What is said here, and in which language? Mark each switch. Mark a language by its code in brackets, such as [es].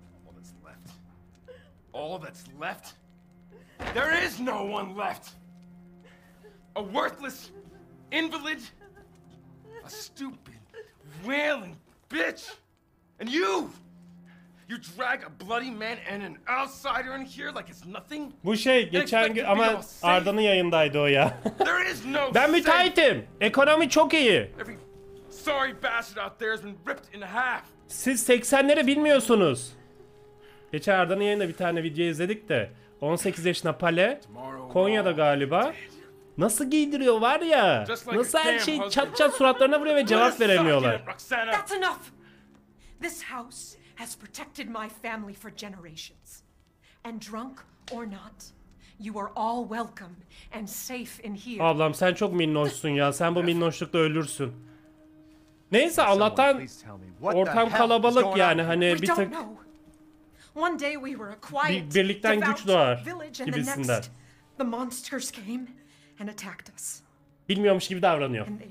[en] All that's left. All that's left. There is no one left. A worthless invalid, a stupid, wailing bitch, and you. You drag a bloody man and an outsider in here like it's nothing? [tr] Bu şey geçen gün ama Arda'nın yayındaydı o ya. Ben müteahhitim. Ekonomi çok iyi. [en] Sorry bastard out there has been ripped in half. [tr] Siz 80'leri bilmiyorsunuz. Geçen Arda'nın yayında bir tane video izledik de 18 yaşına pale Konya'da galiba. Nasıl giydiriyor var ya? Nasıl her şeyi çat çat suratlarına vuruyor ve cevap veremiyorlar. [en] That's enough. This house has protected my family for generations. And drunk or not, you are all welcome and safe in here. [tr] Ablam sen çok minnoşsun ya. Sen bu minnoşlukla ölürsün. Neyse Allah'tan ortam kalabalık yani, hani bir tık. [en] One day we were a quiet, [tr] birlikten güç doğar gibisinden. [en] The monsters came and attacked us. [tr] Bilmiyormuş gibi davranıyor.